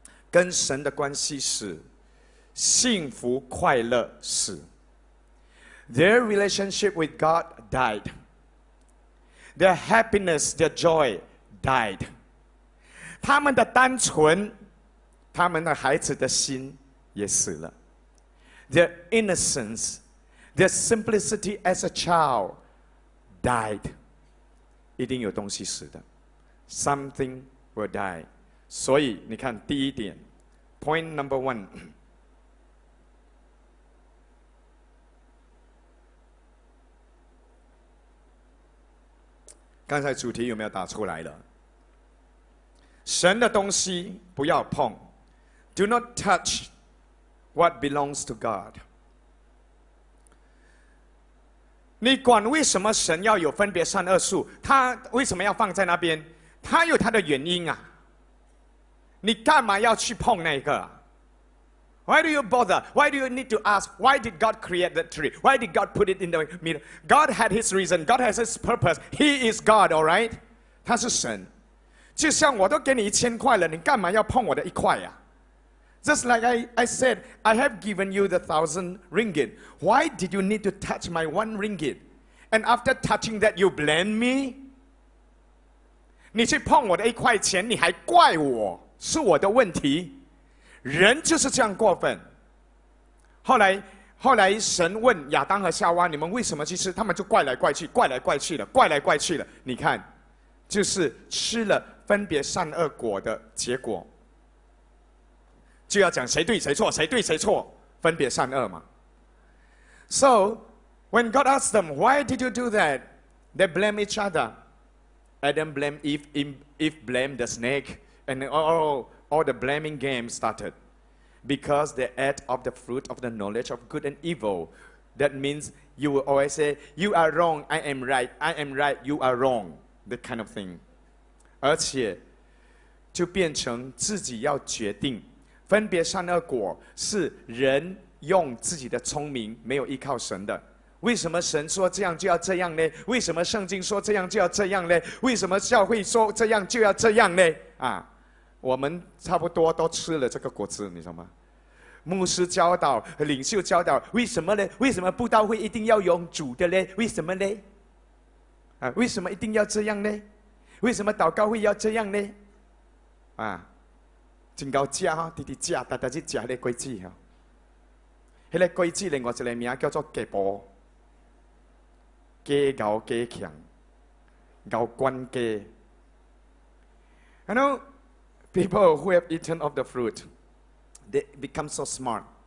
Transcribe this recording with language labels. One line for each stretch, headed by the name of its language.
Chinese: 跟神的关系是幸福快乐死。
English: Their relationship with God died。 Their happiness, their joy died。
Chinese: 他们的单纯，他们的孩子的心也死了。
English: Their innocence, their simplicity as a child died。
Chinese: 一定有东西死的，
English: Something will die。
Chinese: 所以你看第一点，
English: Point number one，
Chinese: 刚才主题有没有打出来了？神的东西不要碰。
English: Do not touch what belongs to God。
Chinese: 你管为什么神要有分别善恶树，他为什么要放在那边，他有他的原因啊。你干嘛要去碰那个？
English: Why do you bother? Why do you need to ask? Why did God create that tree? Why did God put it in the middle? God had his reason. God has his purpose. He is God, all right?
Chinese: 他是神。就像我都给你1000块了，你干嘛要碰我的1块啊？
English: Just like I said, I have given you the 1,000 ringgit. Why did you need to touch my 1 ringgit? And after touching that, you blame me?
Chinese: 你去碰我的1块钱，你还怪我，是我的问题。人就是这样过分。后来神问亚当和夏娃，你们为什么去吃？他们就怪来怪去，怪来怪去了，怪来怪去了。你看，就是吃了分别善恶果的结果。就要讲谁对谁错，谁对谁错，分别善恶嘛。
English: So, when God asked them, why did you do that? They blame each other. Adam blamed Eve blamed the snake, and all the blaming game started. Because they ate of the fruit of the knowledge of good and evil. That means you will always say, you are wrong, I am right, you are wrong. That kind of thing.
Chinese: 而且就变成自己要决定。分别善恶果是人用自己的聪明，没有依靠神的。为什么神说这样就要这样呢？为什么圣经说这样就要这样呢？为什么教会说这样就要这样呢？啊，我们差不多都吃了这个果子，你知道吗？牧师教导，领袖教导，为什么呢？为什么布道会一定要用主的呢？为什么呢？啊，为什么一定要这样呢？为什么祷告会要这样呢？啊？真够吃哈，直直吃，但是吃那个果子哈，那个果子另外一个名叫做鸡婆，鸡咬鸡强，咬关鸡。
English: You know, people who have eaten of the fruit, they become so smart.